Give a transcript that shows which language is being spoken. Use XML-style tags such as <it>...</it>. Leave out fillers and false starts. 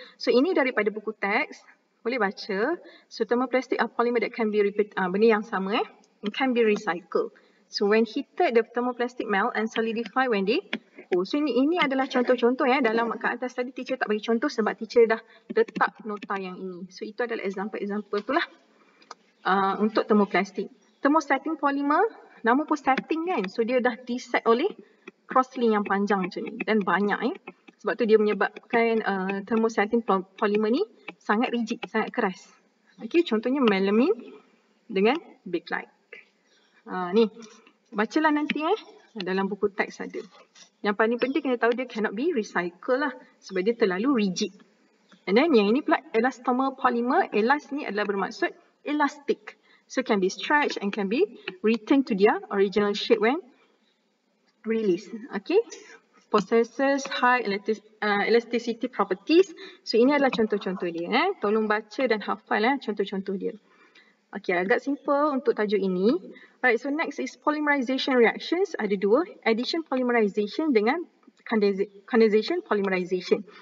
<ms>So ini daripada buku teks, boleh baca.</ms> <en>So thermoplastic are polymer that can be</en> <ms>benda yang sama eh,</ms> <en>and can be recycled. So, when heated, the thermoplastic melt and solidify when they cool.</en> <ms>So, ini adalah contoh-contoh ya. Dalam kat atas tadi, teacher tak bagi contoh sebab teacher dah letak nota yang ini. So, itu adalah example-example tu lah untuk thermoplastic. Thermosetting polymer, nama pun setting kan. So, dia dah diset oleh crosslink yang panjang macam ni. Dan banyak ya. Sebab tu dia menyebabkan thermosetting polymer ni sangat rigid, sangat keras. Okay, contohnya melamin dengan bakelite. Ni, bacalah nanti eh. Dalam buku teks ada. Yang paling penting kena tahu dia</ms> <en>cannot be recycled</en> <ms>lah. Sebab dia terlalu rigid. And then yang ini pula elastomer polymer. Elast ni adalah bermaksud elastic.</ms> <en>So can be stretched and can be returned to their original shape when released. Okay. Possesses high elasticity properties.</en> <ms>So ini adalah contoh-contoh dia eh. Tolong baca dan hafal eh contoh-contoh dia. Okay, agak simple untuk tajuk ini.</ms> <en>Alright, so next is polymerization reactions.</en> <ms>Ada dua,</ms> <en>addition polymerization dengan condensation polymerization.</en>